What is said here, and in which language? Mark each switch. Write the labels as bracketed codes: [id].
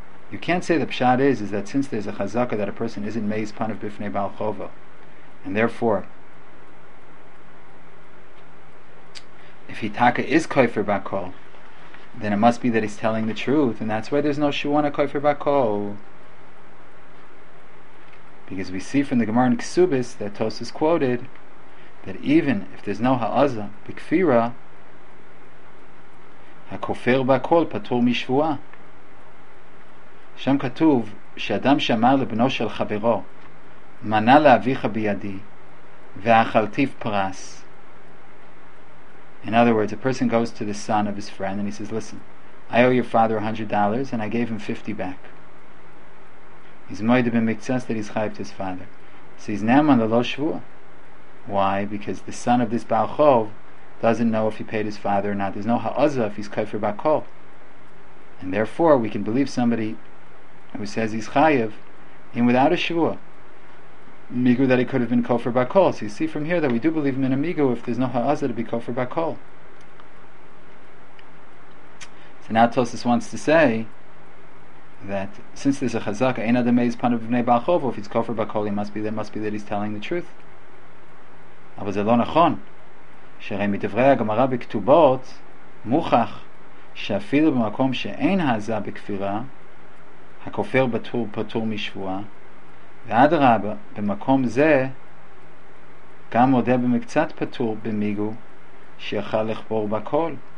[en] You can't say the pshat is that since there's a chazaka that a person isn't meis panav bifnei baal chovo, and therefore, if hitaka is koifer bakol, then it must be that he's telling the truth, and that's why there's no shuana koifer bakol. Because we see from the Gemara in Ksubis that Tosis quoted that even if there's no ha'aza b'kfira, ha'kofer bakol patur mishvua. [he] שם כתוב שאדם שאמר לבנו של חברו מנה לאביך בידי ואכלתי פרס. [en] In other words, a person goes to the son of his friend and he says, listen, I owe your father $100 and I gave him 50 back. He's moed b'miktsas that he's chayv to his father. So he's neman lelo shvua. Why? Because the son of this baal chov doesn't know if he paid his father or not. There's no ha'aza if he's kofer bakol. And therefore, we can believe somebody who says he's chayev in without a shvua, migu that he could have been kofer bakol. So you see from here that we do believe him in a migu if there's no ha'aza to be kofer bakol. So now Tosis wants to say that since there's a chazaka ein adam meis panav b'nei baal chov, if he's kofer bakol, it must be that he's telling the truth. [he] Aber ze lo nachon shere mitivrei hagemara b'ketubot muchach shafilu b'makom she'ein ha'aza b'kfira הכופר פטור משבועה, ועד רבה במקום זה גם מודה במקצת פטור במיגו שיכל לכפור בכל.